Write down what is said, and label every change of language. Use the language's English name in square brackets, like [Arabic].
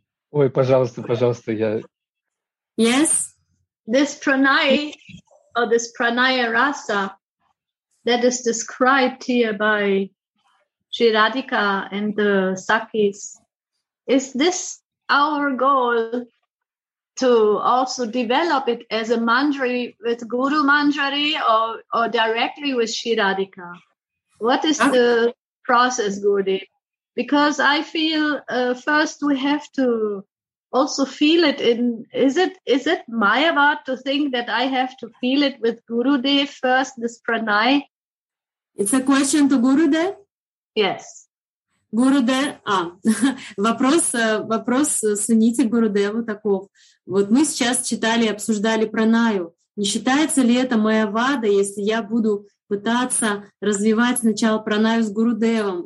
[Russian] Ой, пожалуйста, пожалуйста, я... [English] Yes? This pranaya, or this pranaya rasa, that is described here by Shri Radhika and the Sakis. Is this our goal to also develop it as a mandri with Guru Manjari or directly with Shri Radhika? What is the process, Gurudev? Because I feel first we have to also feel it in, is it Mayavad to think that I have to feel it with Gurudev first, this pranay? It's a question to Gurudev? Yes. [Russian] Гурудев, вопрос Суните Гурудеву таков. Вот мы сейчас читали и обсуждали пранаю. Не считается ли это майявада, если я буду пытаться развивать сначала пранаю с Гурудевом?